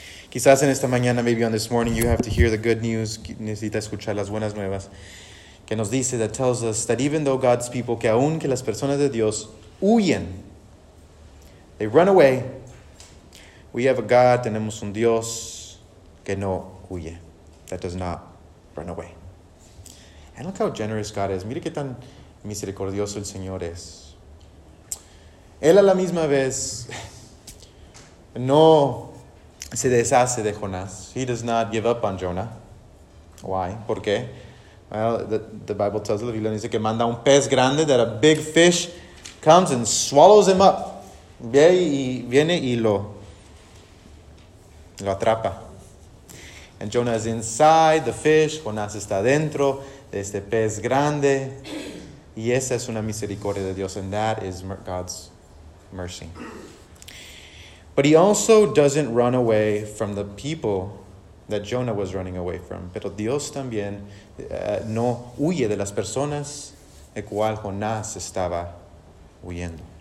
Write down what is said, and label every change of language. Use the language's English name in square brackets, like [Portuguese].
[Spanish] Quizás en esta mañana, [English] maybe on this morning, you have to hear the good news, [Spanish] necesita escuchar las buenas nuevas, que nos dice, [English] that tells us that even though God's people, [Spanish] que aun que las personas de Dios huyen, [English] they run away, we have a God, [Spanish] tenemos un Dios que no huye, [English] that does not run away. And look how generous God is. [Spanish] Mire qué tan misericordioso el Señor es. Él a la misma vez no se deshace de Jonás. [English] He does not give up on Jonah. Why? [Spanish] ¿Por qué? [English] Well, the Bible tells us, [Spanish] la Biblia dice que manda un pez grande, [English] that a big fish comes and swallows him up. [Spanish] Viene y lo atrapa. [English] And Jonah is inside the fish. [Spanish] Jonás está adentro. Este pez grande, y esa es una misericordia de Dios, [English] and that is God's mercy. But he also doesn't run away from the people that Jonah was running away from. [Spanish] Pero Dios también no huye de las personas de cual Jonás estaba huyendo.